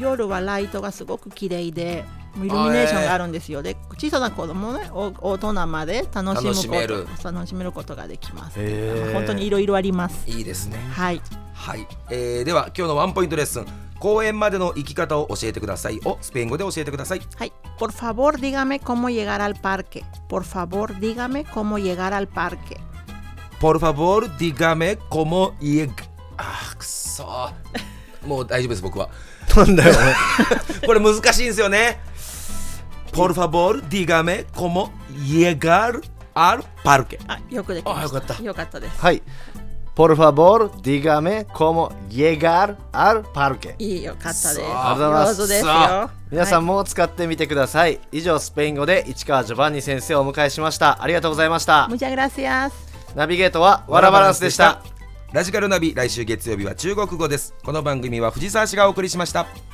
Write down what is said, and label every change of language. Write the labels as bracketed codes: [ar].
[ja] 夜はライトがすごく綺麗でイルミネーションがあるんですよ。で、小さな子供ね、大人まで楽しめることができます。本当にいろいろあります。いいですね、はいはい。では今日のワンポイントレッスン、公園までの行き方を教えてくださいをスペイン語で教えてください。はい、 [es] Por favor dígame cómo llegar al parque. Por favor dígame cómo llegar al parque. Por favor dígame cómo llegar. [ja] あー、くそもう大丈夫です僕は。なんだよこれ難しいんですよね。 [es] Por favor, dígame cómo llegar al parque. [ja] よくできました。よかった。よかったです。はい。 [es] Por favor, dígame cómo llegar al parque. [ja] いい、よかったです。ありがとうございます。上手ですよ。皆さんも使ってみてください。はい、以上、スペイン語で市川ジョバンニ先生をお迎えしました。ありがとうございました。 [es] Muchas gracias. [ja] ナビゲートはワラバランスでした。ラジカルナビ、来週月曜日は中国語です。この番組は藤沢市がお送りしました。